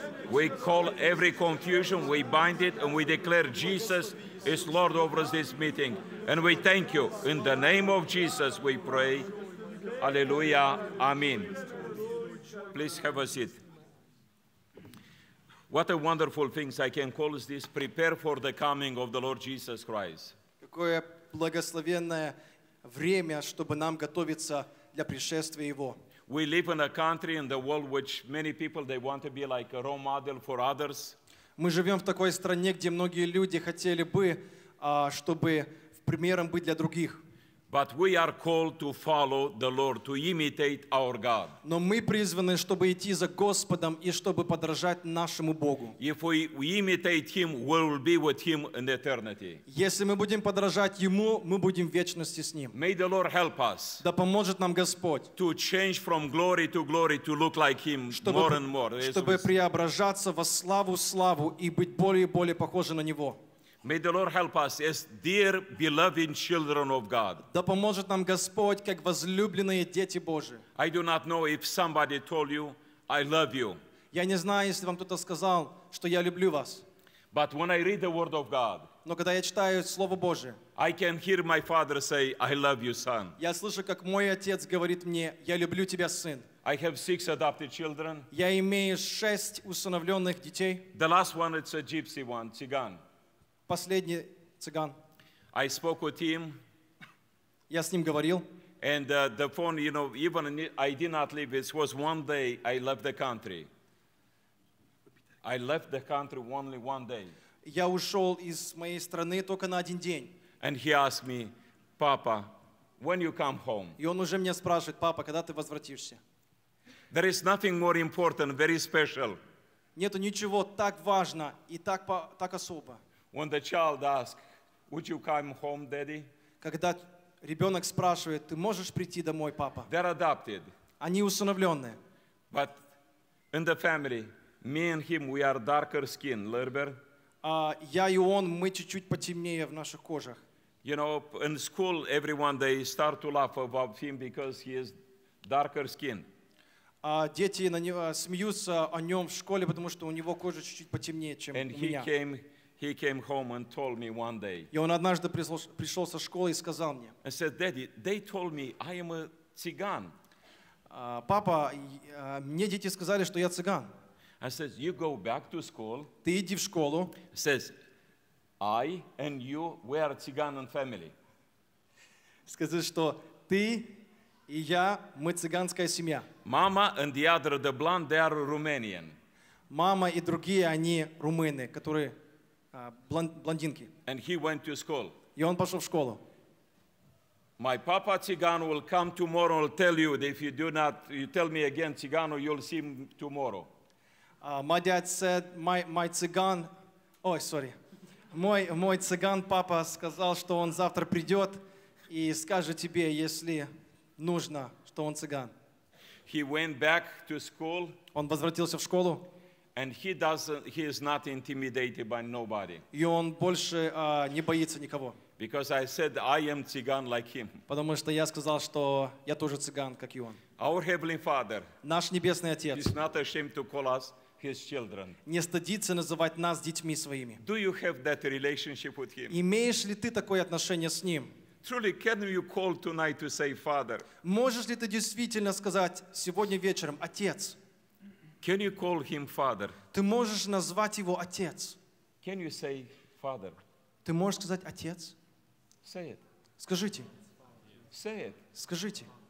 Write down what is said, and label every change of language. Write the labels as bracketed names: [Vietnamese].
[English] We call every confusion, we bind it, and we declare Jesus is Lord over this meeting. And we thank you. In the name of Jesus, we pray. Hallelujah. Amen. Please have a seat. What a wonderful thing I can call this, prepare for the coming of the Lord Jesus Christ. [Russian] Какое благословенное время, чтобы нам готовиться для пришествия Его. [English] We live in a country in the world which many people, they want to be like a role model for others. [Russian] Мы живем в такой стране, где многие люди хотели бы, чтобы примером быть для других. [English] But we are called to follow the Lord, to imitate our God. [Russian] Но мы призваны, чтобы идти за Господом и чтобы подражать нашему Богу. [English] If we imitate Him, we will be with Him in eternity. [Russian] Если мы будем подражать Ему, мы будем в вечности с Ним. [English] May the Lord help us. [Russian] Да поможет нам Господь. [English] To change from glory to glory, to look like Him more and more. [Russian] Чтобы преображаться во славу славу и быть более и более похожи на Него. [English] May the Lord help us as dear, beloved children of God. [Russian] Да поможет нам Господь, как возлюбленные дети Божьи. [English] I do not know if somebody told you, I love you. [Russian] Я не знаю, если вам кто-то сказал, что я люблю вас. [English] But when I read the Word of God, [Russian] но когда я читаю Слово Божие, [English] I can hear my father say, I love you, son. [Russian] Я слышу, как мой отец говорит мне, я люблю тебя, сын. [English] I have 6 adopted children. [Russian] Я имею 6 усыновленных детей. [English] The last one, it's a gypsy one, цыган. [Russian] Последний цыган. [English] I spoke with him. [Ukrainian] Я з ним говорив. [English] And the phone, you know, even I did not leave. It was one day I left the country. I left the country only one day. [Russian] Я ушел [Ukrainian] із моєї [Russian] страны только на один день. [English] And he asked me, Papa, when you come home? [Ukrainian] І він уже мене [Russian] спрашивает, папа, когда ты возвратишься? [English] There is nothing more important, very special. [Russian] Нету [Ukrainian] нічого [Russian] так важно і так особо. [English] When the child asks, would you come home, daddy? [Russian] Когда ребенок спрашивает, ты можешь прийти домой, папа? [English] They're adopted. [Russian] Они усыновленные. [English] But in the family, me and him, we are darker skin, Lerber. [Russian] Я и он, мы чуть-чуть потемнее в наших кожах. [English] You know, in school, everyone, they start to laugh about him because he is darker skin. [Russian] Дети на него смеются о нем в школе, потому что у него кожа чуть-чуть потемнее, чем у меня. [English] And he came home and told me one day. [Russian] И он однажды пришел со школы и сказал мне. [English] And said, Daddy, they told me I am a цыган. [Russian] Папа, мне дети сказали, что я цыган. [English] I said, you go back to school. [Russian] Ты иди в школу. [English] Says, I and you, we are цыган and family. [Russian] Скажи, что ты и я, мы цыганская семья. [English] Mama and the other, the blonde, they are Romanian. [Russian] Мама и другие, они румыны, которые блондинки. [English] And he went to school. [Russian] И он пошел в школу. [English] My papa cigan will come tomorrow and tell you that if you do not, you tell me again cigano, you'll see him tomorrow. My dad said, my цыган, ой, sorry. [Russian] Мой цыган папа сказал, что он завтра придет и скажет тебе, если нужно, что он цыган. [English] He went back to school. [Russian] Он возвратился в школу. [English] And he is not intimidated by nobody. [Russian] И он больше не боится никого. [English] Because I said I am цыган like him. [Russian] Потому что я сказал, что я тоже цыган, как и он. [English] Our heavenly Father. [Russian] Наш небесный отец. [English] He is not ashamed to call us his children. [Russian] Не стыдится называть нас детьми своими. [English] Do you have that relationship with him? [Russian] Имеешь ли ты такое отношение с ним? [English] Truly, can you call tonight to say, Father? [Russian] Можешь ли ты действительно сказать сегодня вечером, отец? [English] Can you call him Father? [Russian] Ты можешь назвать его отец? [English] Can you say, Father? [Russian] Ты можешь сказать отец? [English] Say it. [Russian] Скажите. [English] Say it. [Russian] Скажите.